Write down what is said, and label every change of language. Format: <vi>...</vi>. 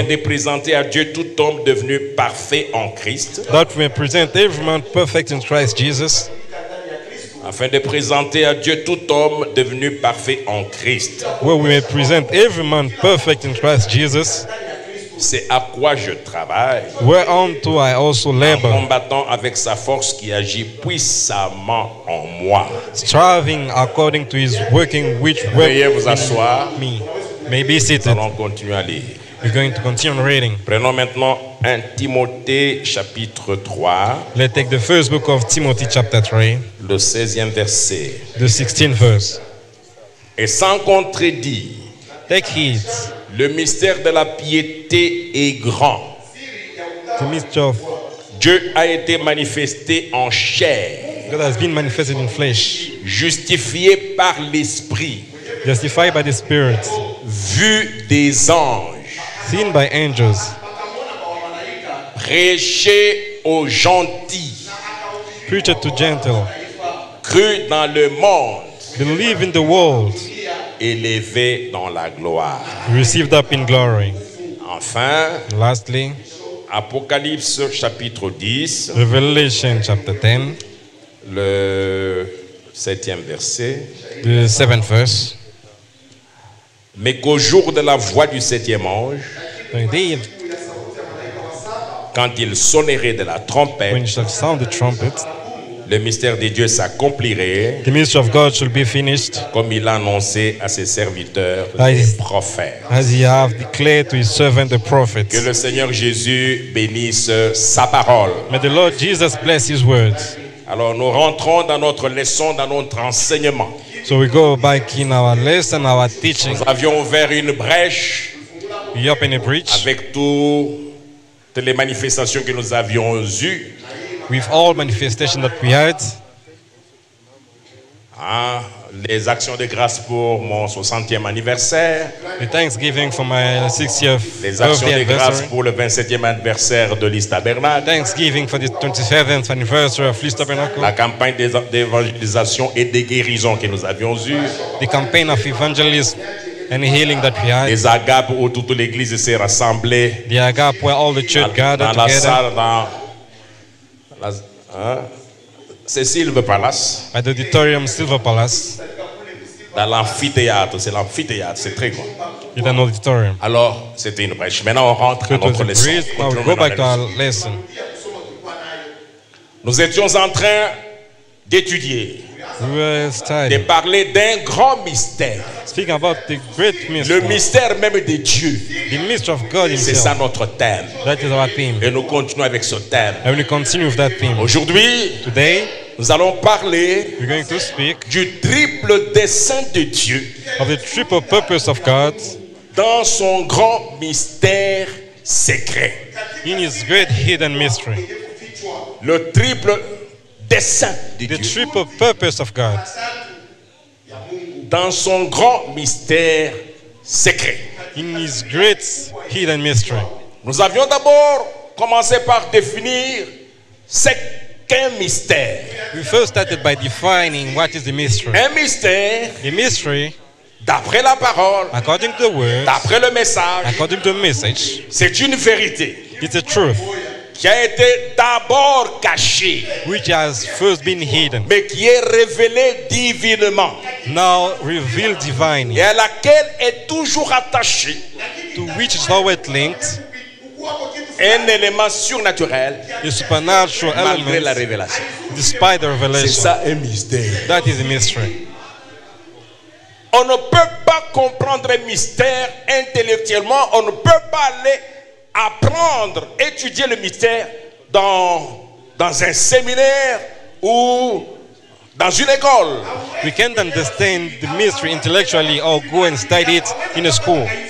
<fr>afin de présenter à Dieu tout homme devenu parfait en Christ,</fr> <en>that we present every man perfect in Christ Jesus,</en> <fr>afin de présenter à Dieu tout homme devenu parfait en Christ,</fr> <en>where we may present every man perfect in Christ Jesus.</en> <fr>C'est à quoi je travaille.</fr> <en>Whereunto I also labor.</en> <fr>En combattant avec sa force qui agit puissamment en moi.</fr> <en>Striving according to his working which works.</en> <fr>Veuillez vous asseoir.</fr> <en>Me. May be seated.</en> <fr>Nous allons continuer à lire.</fr> <en>We're going to continue reading.</en> <fr>Prenons maintenant 1 Timothée chapitre 3.</fr> <en>Let's take the first book of Timothy chapter 3.</en> <fr>Le 16e verset.</fr> <en>The 16th verse.</en> <fr>Et sans contredit.</fr> <en>Take heed.</en> <fr>Le mystère de la piété est grand.</fr> <en>The mystery of</en> <fr>Dieu a été manifesté en chair.</fr> <en>God has been manifested in flesh.</en> <fr>Justifié par l'esprit.</fr> <en>Justified by the spirit.</en> <fr>Vu des anges.</fr> <en>Seen by angels.</en> <fr>Prêché aux gentils.</fr> <en>Preached to gentle.</en> <fr>Cru dans le monde.</fr> <en>Believe in the world.</en> <fr>Élevé dans la gloire.</fr> <en>Received up in glory.</en> <fr>Enfin,</fr> <en>lastly,</en> <fr>Apocalypse chapitre 10,</fr> <en>Revelation chapter 10,</en> <fr>le 7e verset,</fr> <en>the 7th verse.</en> <fr>Mais qu'au jour de la voix du 7e ange,</fr> <en>indeed,</en> <fr>quand il sonnerait de la trompette,</fr> <en>when you shall sound the trumpet,</en> <fr>le mystère de Dieu s'accomplirait.</fr> <en>The mystery of God shall be finished.</en> <fr>Comme il a annoncé à ses serviteurs les prophètes.</fr> <en>As he have declared to his servant the prophets.</en> <fr>Que le Seigneur Jésus bénisse sa parole.</fr> <en>May the Lord Jesus bless his words.</en> <fr>Alors nous rentrons dans notre leçon, dans notre enseignement.</fr> <en>So we go back in our lesson, our teaching.</en> <fr>Nous avions ouvert une brèche.</fr> <en>We opened a breach.</en> <fr>Avec toutes les manifestations que nous avions eues.</fr> <en>With all manifestations that we had.</en> <fr>Ah, les actions de grâce pour mon 60e anniversaire.</fr> <en>The thanksgiving for my 60th.</en> <fr>Les actions de grâce pour le 27e anniversaire de l'East Tabernacle.</fr> <en>Thanksgiving for the 27th anniversary of l'East Tabernacle.</en> <fr>La campagne d'évangélisation et de guérison que nous avions eue.</fr> <en>The campaign of evangelism. Any healing that we had.</en> <fr>Les agapes où toute l'église s'est rassemblée.</fr> <en>The agape where all the church gathered together.</en> <fr>Dans la salle, dans c'est Silver Palace.</fr> <en>At the auditorium Silver Palace.</en> <fr>Dans l'amphithéâtre, c'est l'amphithéâtre, c'est très grand.</fr> <en>In an auditorium.</en> <fr>Alors, c'était une brèche. Maintenant, on rentre à notre leçon.</fr> <en>Now we go back to our lesson.</en> <fr>Nous étions en train d'étudier.</fr> <en>We were studying.</en> <fr>De parler d'un grand mystère.</fr> <en>Speaking about the great mystery.</en> <fr>Le mystère même de Dieu.</fr> <en>The mystery of God himself.</en> <fr>C'est ça notre thème.</fr> <en>That is our theme.</en> <fr>Et nous continuons avec ce thème.</fr> <en>And we continue with that theme.</en> <fr>Aujourd'hui,</fr> <en>today,</en> <fr>nous allons parler,</fr> <en>we're going to speak,</en> <fr>du triple dessein de Dieu.</fr> <en>Of the triple purpose of God.</en> <fr>Dans son grand mystère secret.</fr> <en>In his great hidden mystery.</en> <fr>Le triple dessein de</fr> <en>the</en> <fr>Dieu.</fr> <en>The triple purpose of God.</en> <fr>Dans son grand mystère secret.</fr> <en>In his great hidden mystery.</en> <fr>Nous avions d'abord commencé par définir ce qu'un mystère.</fr> <en>We first started by defining what is the mystery.</en> <fr>Un mystère.</fr> <en>The mystery.</en> <fr>D'après la parole.</fr> <en>According to the word.</en> <fr>D'après le message.</fr> <en>According to the message.</en> <fr>C'est une vérité.</fr> <en>It's a truth.</en> <fr>Qui a été d'abord caché,</fr> <en>which has first been hidden,</en> <fr>mais qui est révélé divinement,</fr> <en>now revealed divinely,</en> <fr>et à laquelle est toujours attaché,</fr> <en>to which is always linked,</en> <fr>un élément surnaturel,</fr> <en>a supernatural element,</en> <fr>malgré la révélation,</fr> <en>despite the revelation,</en> <fr>c'est ça un mystère,</fr> <en>that is a mystery.</en> <fr>On ne peut pas comprendre un mystère intellectuellement, on ne peut pas aller apprendre, étudier le mystère dans un séminaire ou dans une école.</fr> <en>We can't understand the mystery intellectually or go and study it in a school.</en>